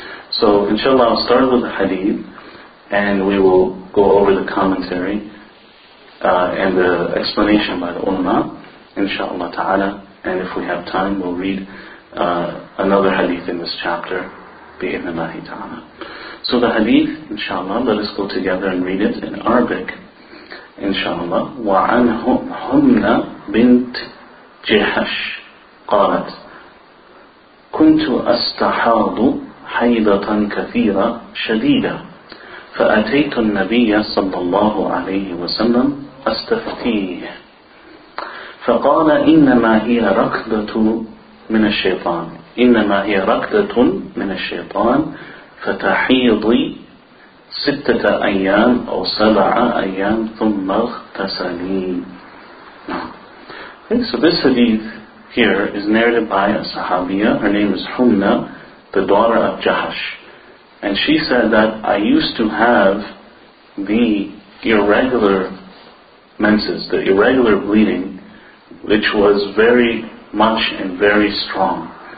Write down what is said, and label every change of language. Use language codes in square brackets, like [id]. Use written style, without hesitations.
[en] So, inshallah, I'll start with the hadith, and we will go over the commentary and the explanation by the ulama, inshallah ta'ala. And if we have time, we'll read another hadith in this chapter, bi'idhnillahi ta'ala. So the hadith, inshallah, let us go together and read it in Arabic, inshallah. [ar] وَعَنْ هُمْنَ بِنْتْ جِحَشْ قَالَتْ كُنْتُ أَسْتَحَاضُ حَيْضَةً كَثِيرًا شَدِيدًا فَأَتَيْتُ النَّبِيَّ صَلَّى اللَّهُ عَلَيْهِ وَسَلَّمْ أَسْتَفْتِيهِ فقال إنما هي ركضة من الشيطان إنما هي ركضة من الشيطان فتحيضي ستة أيام أو سبعة أيام ثم اغتسلي. [en] Okay, so this hadith here is narrated by a Sahabiya. Her name is Humna, the daughter of Jahash. And she said that I used to have the irregular menses, the irregular bleeding, which was very much and very strong.